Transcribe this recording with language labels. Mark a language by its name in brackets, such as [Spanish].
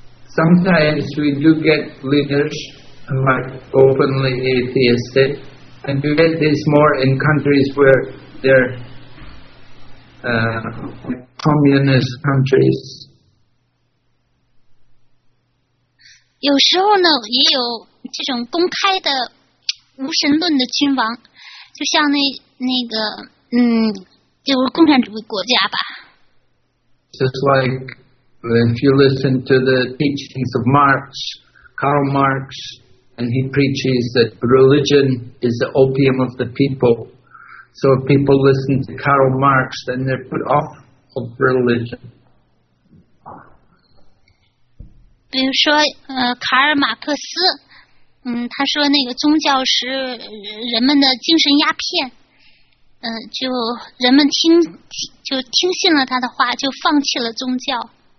[English] Sometimes we do get leaders like openly atheistic, and we get this more in countries where they're communist countries. [Chinese] 有时候呢，也有这种公开的无神论的君王，就像那个就是共产主义国家吧。 [English] Just like. If you listen to the teachings of Marx, Karl Marx, and he preaches that religion is the opium of the people. So if people listen to Karl Marx, then they're put off of religion. [Chinese] 比如说，卡尔马克思，他说那个宗教是人们的精神鸦片。就人们听信了他的话，就放弃了宗教。